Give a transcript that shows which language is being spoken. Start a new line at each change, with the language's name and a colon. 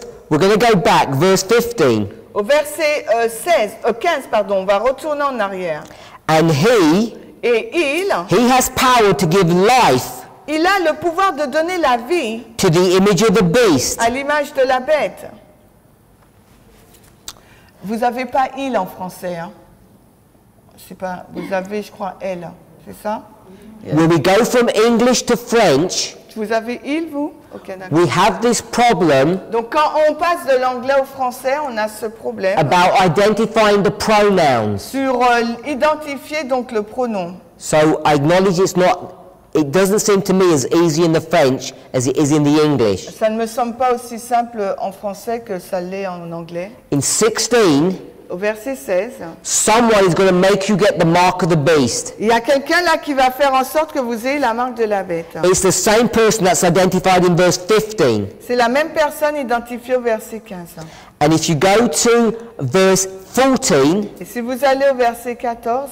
English: We're going to go back, verse 15.
French: Au verset 15, pardon, on va retourner en arrière.
English: And he,
French: et il,
English: he has power to give life.
French: Il a le pouvoir de donner la vie
English: to the image of the beast.
French: À l'image de la bête. Vous avez pas il en français, hein? C'est pas. Vous avez, je crois, elle, c'est ça?
English: Yeah. When we go from English to French,
French: vous avez il, vous? Okay, d'accord.
English: We have this problem.
French: Donc quand on passe de l'anglais au français, on a ce problème.
English: About identifying the pronouns.
French: Sur identifier donc le pronom.
English: So I acknowledge it's not. It doesn't seem to me as easy in the French as it is in the English.
French: Ça ne me semble pas aussi simple en français que ça l'est en anglais.
English: In 16.
French: Au verset 16.
English: Someone is going to make you get the mark of the beast.
French: Il y a quelqu'un là qui va faire en sorte que vous ayez la marque de la bête.
English: It's the same person that's identified in verse 15.
French: C'est la même personne identifiée au verset 15.
English: And if you go to verse 14.
French: Et si vous allez au verset 14.